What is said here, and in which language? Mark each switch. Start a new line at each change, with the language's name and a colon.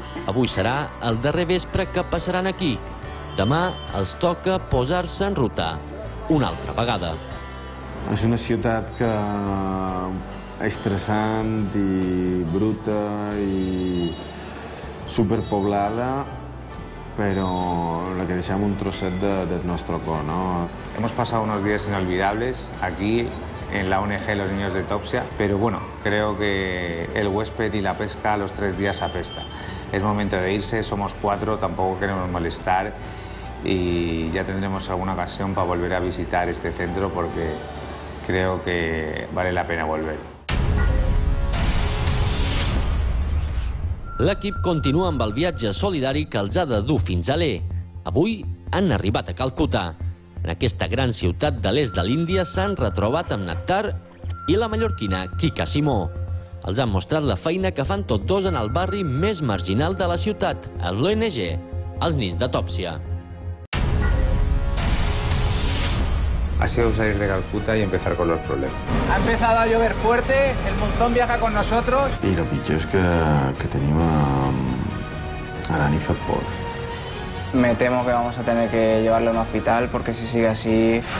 Catalan: Avui serà el darrer vespre que passaran aquí. Demà els toca posar-se en ruta. Una altra vegada. És una ciutat que és estressant i bruta i superpoblada, però la que deixem un trosset del nostre cor, no?
Spanish: Hemos pasado unos días inolvidables aquí en la ONG Los Niños de Tòpsia, pero bueno, creo que el huésped y la pesca a los tres días apesta. Es momento de irse, somos cuatro, tampoco queremos molestar. Y ya tendremos alguna ocasión para volver a visitar este centro porque creo que vale la pena volver.
Catalan: L'equip continua amb el viatge solidari que els ha de dur fins a l'E. Avui han arribat a Calcuta. En aquesta gran ciutat de l'est de l'Índia s'han retrobat amb Nattar i la mallorquina Kika Simó. Els han mostrat la feina que fan tots dos en el barri més marginal de la ciutat, a l'ONG, els Nins d'Atòpsia.
Spanish: Ha sido salir de Calcuta y empezar con los problemas. Ha empezado a llover fuerte, el monzón viaja con nosotros.
Catalan: Y lo pitjor es que tenim a Dani fet por.
Spanish: Me temo que vamos a tener que llevarlo a un hospital porque si sigue así...